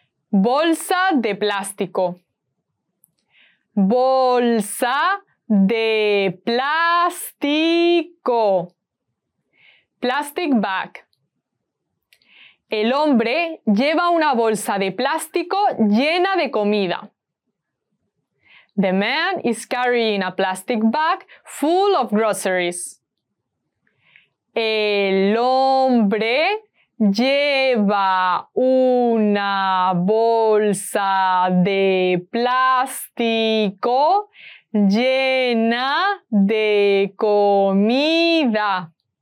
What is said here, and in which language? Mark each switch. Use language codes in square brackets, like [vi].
[es] Bolsa de plástico. Bolsa de plástico. [en] Plastic bag. [es] El hombre lleva una bolsa de plástico llena de comida. [en] The man is carrying a plastic bag full of groceries. [es] El hombre lleva una bolsa de plástico llena de comida.